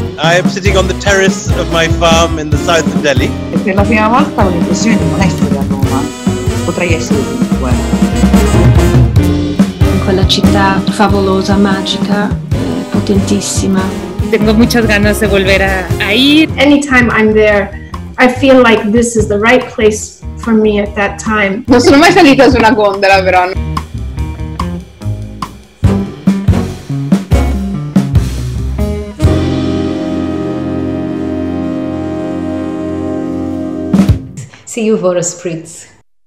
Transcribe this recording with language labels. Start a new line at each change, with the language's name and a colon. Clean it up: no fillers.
English: I am sitting on the terrace of my farm in the south of Delhi.
Italian: E per la prima volta ho l'impressione di non essere a Roma. Potrei essere dunque. La città favolosa, magica, potentissima.
Spanish: Tengo muchas ganas de volver a ir.
English: Anytime I'm there, I feel like this is the right place for me at that time.
Italian: Non sono mai salita su una gondola, però.
English: See you for a spritz.